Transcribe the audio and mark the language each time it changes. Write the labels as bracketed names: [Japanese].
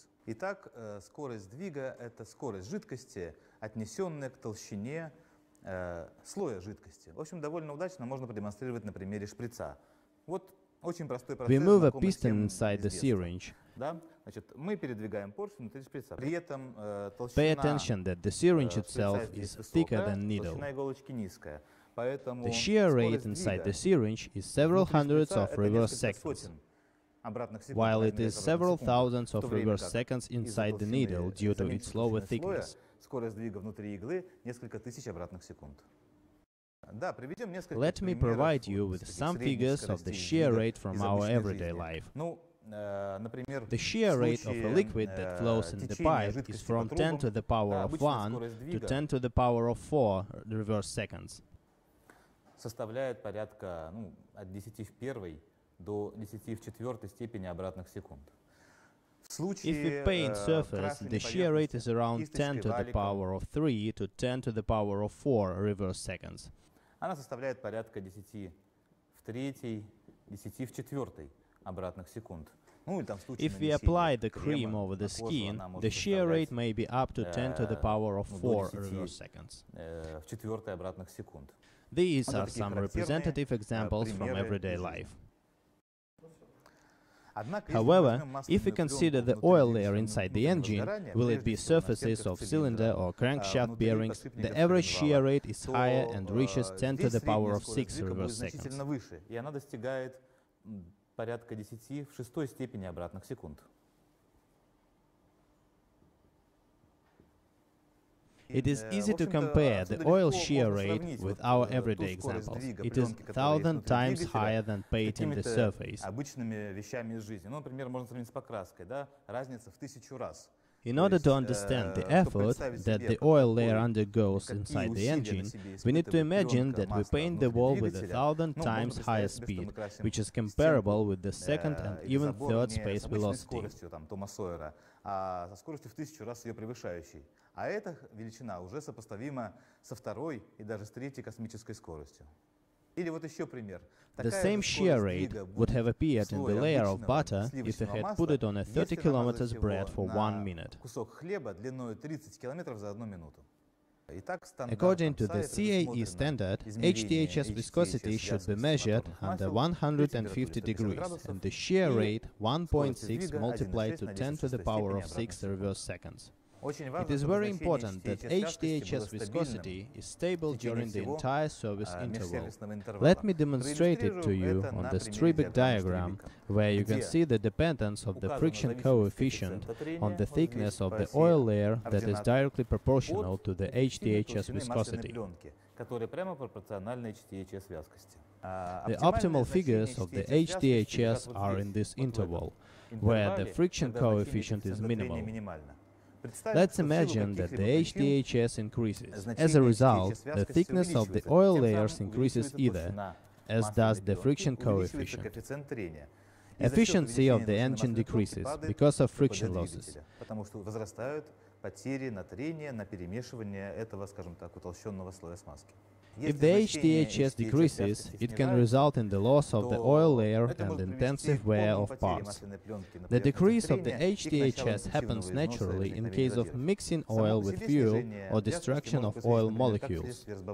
[Russian] Итак, скорость сдвига – это скорость жидкости, отнесенная к толщине слоя жидкости. В общем, довольно удачно можно продемонстрировать на примере шприца. Вот очень простой процесс. [English] We move a piston inside the syringe. [Russian] Да? Значит, мы передвигаем поршень внутри шприца. При этом толщина. [English] Pay attention that the syringe itself is thicker than needle. [Russian] Толщина иголочки низкая, поэтому [English] the shear rate inside the syringe is several hundreds of reverse seconds. While it is several thousands of reverse seconds inside the needle due to its lower thickness. [Russian] Скорость сдвига внутри иглы несколько тысяч обратных секунд. Да, приведем несколько. [English] Let me provide you with some figures of the shear rate from our everyday life. [Russian] Ну, например, [English] the shear rate of a liquid that flows in the pipe is from 10 to the power of 1 to 10 to the power of 4 reverse seconds. [Russian] Составляет порядка, ну, от 10 в первой до 10 в четвертой степени обратных секунд. [English] If we paint surface, the shear rate is around 10 to the power of 3 to 10 to the power of 4 reverse seconds. [Russian] Она составляет порядка 10 в третьей, 10 в четвертой обратных секунд. Ну, или там в случае [English] If we apply the cream over the skin, the shear rate may be up to 10 to the power of 4 reverse seconds. [Russian] В четвертой обратных секунд. [English] These are some representative examples from everyday life. However, if we consider the oil layer inside the engine, will it be surfaces of cylinder or crankshaft bearings, the average shear rate is higher and reaches 10 to the power of 6 reverse seconds. [Russian] И она достигает порядка 10 в шестой степени обратных секунд. [English] It is easy to compare the oil shear rate with our everyday examples. It is 1,000 times higher than painting the surface. [Russian] Обычными вещами из жизни. Ну, например, можно сравнить с покраской, да? Разница в 1000 раз. [English] In order to understand the effort that the oil layer undergoes inside the engine, we need to imagine that we paint the wall with 1,000 times higher speed, which is comparable with the second and even third space velocity. [Russian] А со скоростью в 1000 раз ее превышающей. А эта величина уже сопоставима со второй и даже с третьей космической скоростью. Или вот еще пример. [English] The same shear rate would have appeared in the layer of butter if they had put it on a 30 km bread for 1 minute. [Russian] Кусок хлеба длиной 30 км за одну минуту. [English] According to the CAE standard, HTHS viscosity should be measured under 150 degrees and the shear rate 1.6 multiplied to 10 to the power of 6 reverse seconds. It is very important that HTHS viscosity is stable during the entire service interval. Let me demonstrate it to you on the Strebeck diagram, where you can see the dependence of the friction coefficient on the thickness of the oil layer that is directly proportional to the HTHS viscosity. The optimal figures of the HTHS are in this interval, where the friction coefficient is minimal. Let's imagine that the HTHS increases. As a result, the thickness of the oil layers increases either, as does the friction coefficient. Efficiency of the engine decreases because of friction losses. [Russian] Потому что возрастают потери на трение, на перемешивание этого, скажем так, утолщенного слоя смазки. [English] If the HTHS decreases, it can result in the loss of the oil layer and intensive wear of parts. The decrease of the HTHS happens naturally in case of mixing oil with fuel or destruction of oil molecules.